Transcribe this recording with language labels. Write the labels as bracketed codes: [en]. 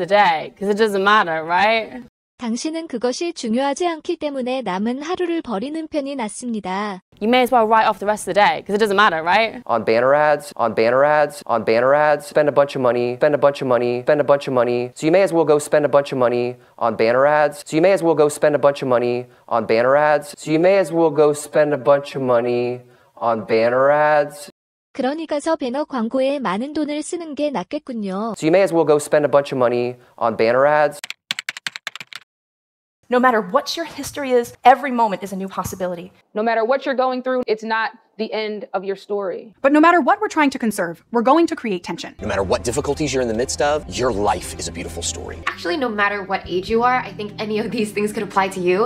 [en] You may as well write off the rest of the day, because it doesn't matter, right? [ko] 당신은 그것이 중요하지 않기 때문에 남은 하루를 버리는 편이 낫습니다. [en] You may as well write off the rest of the day, because it doesn't matter, right? On banner ads. Spend a bunch of money. So you may as well go spend a bunch of money on banner ads. [ko] 그러니 가서 배너 광고에 많은 돈을 쓰는 게 낫겠군요. [en] So you may as well go spend a bunch of money on banner ads. No matter what your history is, every moment is a new possibility. No matter what you're going through, it's not the end of your story. But no matter what we're trying to conserve, we're going to create tension. No matter what difficulties you're in the midst of, your life is a beautiful story. Actually, no matter what age you are, I think any of these things could apply to you.